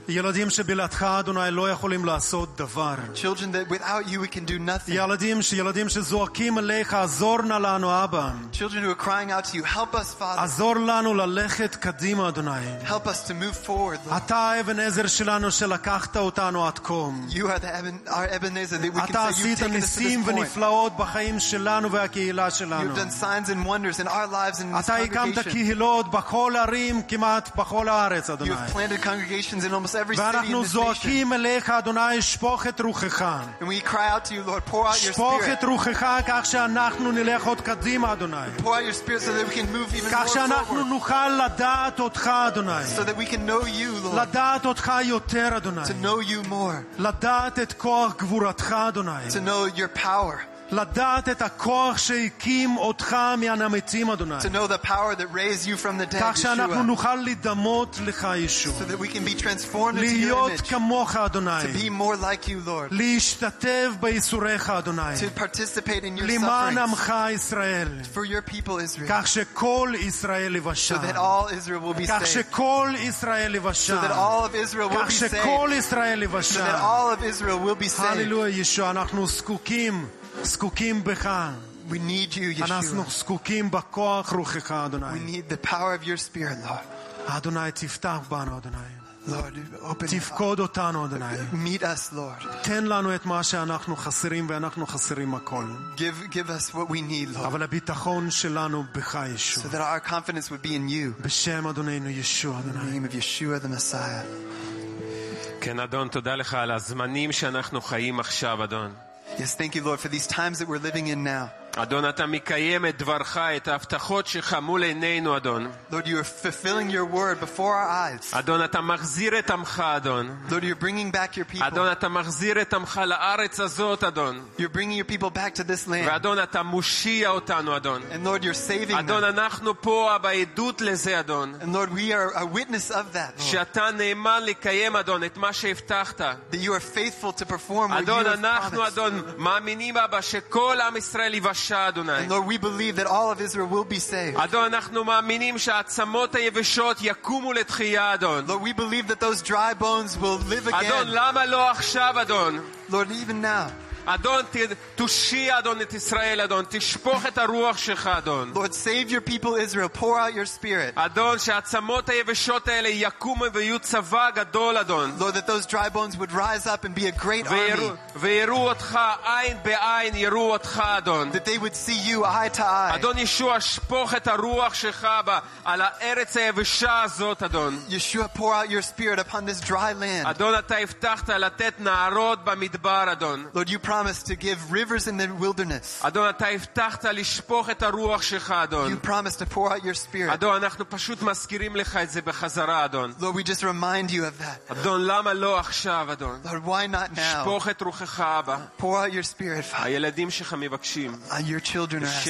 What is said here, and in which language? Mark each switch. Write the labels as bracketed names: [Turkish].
[Hebrew] ילדים שבלעדך אדוני לא יכולים לעשות דבר. [English] Children that without you we can do nothing. [Hebrew] ילדים שזועקים אליך עזור נא לנו אבא. [English] Children who are crying out to you help us Father. [Hebrew] עזור לנו ללכת קדימה אדוני. [English] Help us to move forward. [Hebrew] אתה אבנזר שלנו שלקחת אותנו עד כה. [English] You are the our Ebenezer that we can say you've taken us to this point. [Hebrew] ונפלאות בחיים שלנו והקהילה שלנו. [English] You've done signs and wonders in our lives and [Hebrew] אתה הקמת קהילות בכל ערים כמעט בכל הארץ אדוני. [English] You've planted congregations in almost every city. [Hebrew] ואנחנו זועקים אליך אדוני שפוך את רוחך. [English] And we cry out to you Lord pour out your spirit. [Hebrew] שפוך את רוחך כך שאנחנו נלך עוד קדימה אדוני. [English] Pour out your spirit so that we can move even more. [Hebrew] כך שאנחנו נוכל לדעת אותך אדוני. [English] So that we can know you Lord. [Hebrew] לדעת אותך יותר אדוני. [English] To know you more. [Hebrew] לדעת את כוח גבורתך אדוני. [English] To know your power. [Hebrew] לדעת את הכוח שהקים אותך מן המתים אדוני. [English] To know the power that raised you from the dead. [Hebrew] כך שאנחנו נוכל לדמות לך ישוע. [English] So that we can be transformed into your [Hebrew] image. להיות כמוך אדוני. [English] To be more like you Lord. [Hebrew] להשתתף בייסוריך אדוני. [English] To participate in your [Hebrew] למען עמך ישראל. [English] For your people Israel. [Hebrew] כך שכל ישראל יבשע. [English] So that all Israel will be saved. [Hebrew] כך שכל ישראל יבשע. [English] So that all of Israel will be saved. [Hebrew] כך שכל ישראל יבשע. [English] So that all of Israel will be saved. [Hebrew] הללויה ישוע אנחנו זקוקים. זקוקים בך. [English] We need you, Yeshua. [Hebrew] אנחנו זקוקים בכוח רוחך, אדוני. [English] We need the power of your spirit, Lord. [Hebrew] אדוני, תפתח בנו, אדוני. [English] Lord, open [Hebrew] us. תפקוד אותנו, אדוני. [English] Meet us, Lord. [Hebrew] תן לנו את מה שאנחנו חסרים, ואנחנו חסרים הכל. [English] Give us what we need, Lord. [Hebrew] אבל הביטחון שלנו בך, ישוע. [English] So that our confidence would be in you. [Hebrew] בשם אדוננו, ישוע, אדוני. [English] In the name of Yeshua, the Messiah. [Hebrew] כן, אדון, תודה לך על הזמנים שאנחנו חיים עכשיו, אדון. [English] Yes, thank you, Lord, for these times that we're living in now. [Hebrew] אדון, אתה מקיים את דברך, את ההבטחות שלך מול עינינו, אדון. [English] Lord, you are fulfilling your word before our eyes. [Hebrew] אדון, אתה מחזיר את עמך, אדון. [English] Lord, you're bringing back your people. [Hebrew] אדון, אתה מחזיר את עמך לארץ הזאת, אדון. [English] You're bringing your people back to this land. [Hebrew] ואדון, אתה מושיע אותנו, אדון. [English] And Lord, you're saving us. [Hebrew] אדון, אנחנו פה בעדות לזה, אדון. [English] And Lord, we are a witness of that. [Hebrew] שאתה נאמן לקיים, אדון, את מה שהבטחת. [English] That you are faithful to perform what [Hebrew] אדון, [English] you have [Hebrew] אנחנו, [English] promised. [Hebrew] אדון, אנחנו, אדון, מאמינים, אבא, שכל עם ישראל יבשע. [English] And Lord, we believe that all of Israel will be saved. [Hebrew] אדון, אנחנו מאמינים שהעצמות היבשות יקומו לתחייה, אדון. [English] Lord, we believe that those dry bones will live again. [Hebrew] אדון, למה לא עכשיו, אדון? [English] Lord, even now. [Hebrew] אדון, תושיע, אדון, את ישראל, אדון. תשפוך את הרוח שלך, אדון. [English] Lord, save your people Israel. Pour out your spirit. [Hebrew] אדון, שהעצמות היבשות האלה יקומו ויהיו צבא גדול, אדון. [English] Lord, that those dry bones would rise up and be a great army. [Hebrew] ויראו אותך עין בעין, יראו אותך, אדון. [English] That they would see you eye to eye. [Hebrew] אדון, ישוע, שפוך את הרוח שלך על הארץ היבשה הזאת, אדון. [English] Yeshua, pour out your spirit upon this dry land. [Hebrew] אדון, אתה הבטחת לתת נערות במדבר, אדון. [English] Lord, you promised to give rivers in the wilderness. [Hebrew] אדון, אתה הבטחת לשפוך את הרוח שלך, אדון. [English] You promised to pour out your spirit. [Hebrew] אדון, אנחנו פשוט מזכירים לך את זה בחזרה, אדון. [English] Lord, we just remind you of that. [Hebrew] אדון, למה לא עכשיו, אדון? [English] Lord, why not now? [Hebrew] שפוך את רוחך, אבא. [English] Pour out your spirit, Father. [Hebrew] הילדים שלך מבקשים. [English] Your children are asking.